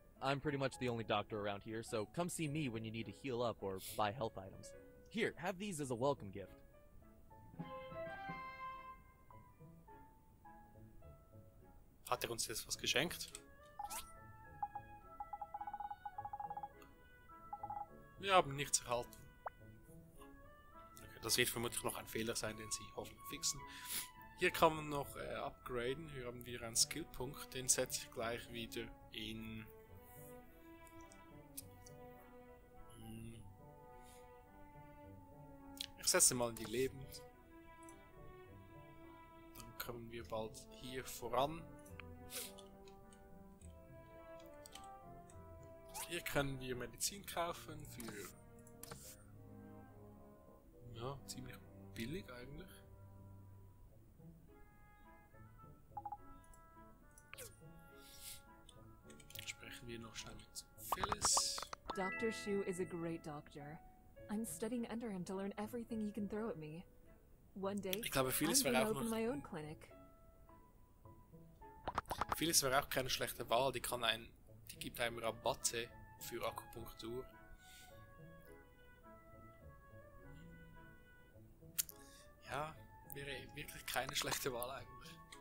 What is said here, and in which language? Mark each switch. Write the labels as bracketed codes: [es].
[en] I'm pretty much the only doctor around here, so come see me when you need to heal up or buy health items. Here, have these as a welcome gift. [de] Hat er uns jetzt was geschenkt? Wir haben nichts erhalten. Das wird vermutlich noch ein Fehler sein, den sie hoffentlich fixen. Hier kann man noch upgraden. Hier haben wir einen Skillpunkt. Den setze ich gleich wieder in... Ich setze mal in die Leben. Dann kommen wir bald hier voran. Hier können wir Medizin kaufen für... Ja, ziemlich billig eigentlich. Dann sprechen wir noch schnell mit Phyllis. [en] Dr. Shu is a great doctor. I'm studying under him to learn everything he can throw at me. One day, [de] ich glaube, Phyllis wäre auch [en] my own clinic. [de] Phyllis wäre auch keine schlechte Wahl. Die kann einen, die gibt einem Rabatte für Akupunktur. Ja, wäre wirklich keine schlechte Wahl eigentlich.